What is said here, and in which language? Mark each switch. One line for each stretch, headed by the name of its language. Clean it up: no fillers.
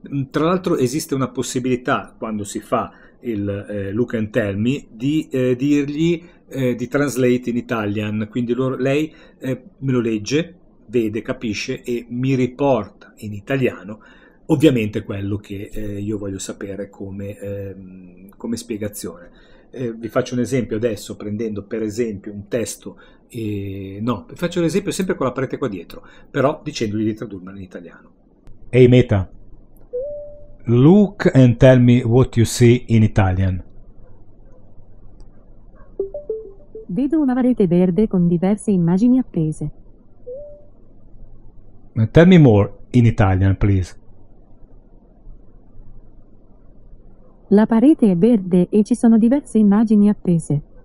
Italian: Tra l'altro esiste una possibilità, quando si fa il
English: look and tell me,
Italian: di dirgli di
English: translate in Italian,
Italian: quindi lei me lo legge, vede, capisce e mi riporta in italiano ovviamente quello che io voglio sapere come spiegazione. Vi faccio un esempio adesso, prendendo per esempio un testo, vi faccio un esempio sempre con la parete qua dietro, però dicendogli di tradurlo in italiano.
English: Hey Meta, look and tell me what you see in Italian.
Italian: Vedo una parete verde con diverse immagini appese.
English: Tell me more in Italian, please.
Italian: La parete è verde e ci sono diverse immagini appese.